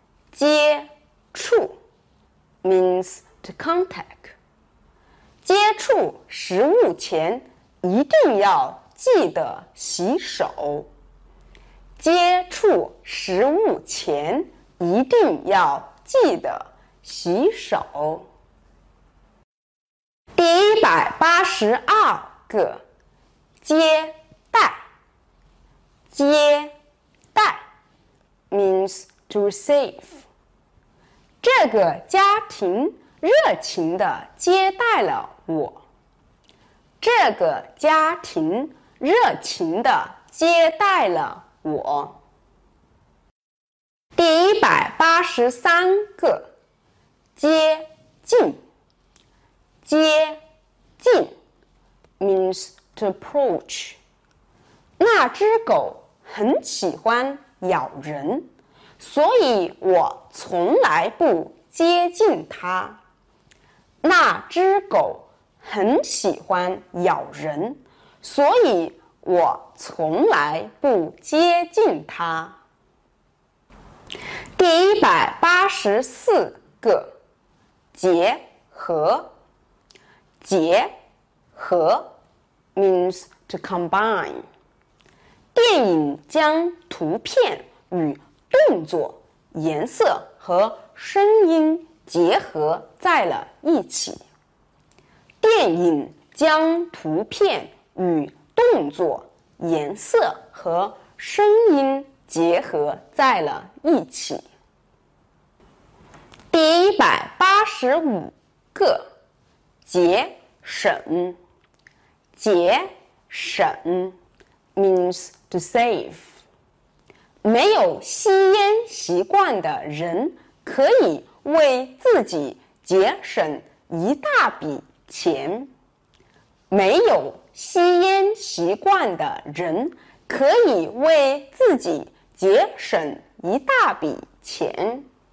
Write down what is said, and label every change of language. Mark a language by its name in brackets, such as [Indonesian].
[English] 接触 means to contact. [Chinese] 接触食物前一定要记得洗手。接触食物前一定要记得洗手。第一百八十二个，接待。 [English] 接待 means to receive. [Chinese] 这个家庭热情地接待了我。这个家庭热情地接待了我。第一百八十三个，接近。 [English] 接近 means to approach. [Chinese] 那只狗很喜欢咬人，所以我从来不接近它。那只狗很喜欢咬人，所以我从来不接近它。第一百八十四个，结合。 [English] 结合 means to combine. [Chinese] 电影将图片与动作、颜色和声音结合在了一起。电影将图片与动作、颜色和声音结合在了一起。第一百八十五个，节省。 [English] 节省 means to save. [Chinese] 没有吸烟习惯的人可以为自己节省一大笔钱。没有吸烟习惯的人可以为自己节省一大笔钱。